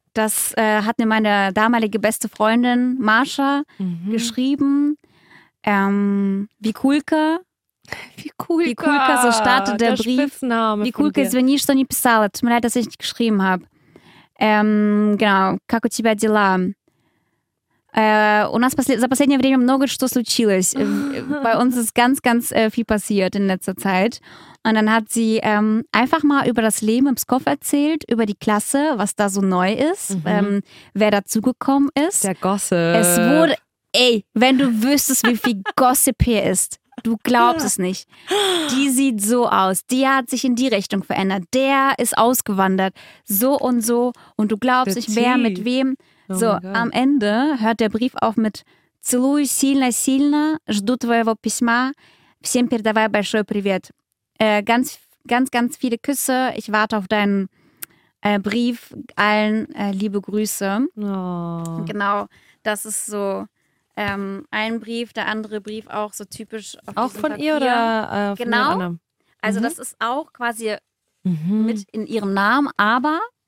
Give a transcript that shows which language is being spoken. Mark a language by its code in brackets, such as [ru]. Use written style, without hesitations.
[de] Das hat mir meine damalige beste Freundin Marsha geschrieben. Wie Kulka, so startet der Brief. Wie Kulka, [ru] извини, что не писала. [de] Tut mir leid, dass ich nicht geschrieben habe. [ru] Genau. Как у тебя дела? У нас за последнее время много что случилось. [de] Bei uns ist ganz, ganz viel passiert in letzter Zeit. Und dann hat sie einfach mal über das Leben im Pskov erzählt, über die Klasse, was da so neu ist, wer dazugekommen ist. Der Gossip. Es wurde, ey, wenn du wüsstest, wie viel Gossip hier ist. Du glaubst es nicht. Die sieht so aus. Die hat sich in die Richtung verändert. Der ist ausgewandert. So und so. Und du glaubst nicht, wer mit wem. Oh, so, am Ende hört der Brief auf mit [ru] «Целую сильно-сильно, жду твоего письма, всем передавай большой привет». [de] Ganz, ganz, ganz viele Küsse. Ich warte auf deinen Brief. Allen liebe Grüße. Oh. Genau, das ist so. Ein Brief, der andere Brief auch so typisch auf auch von Papier ihr oder von genau der also das ist auch quasi mit in ihrem Namen, aber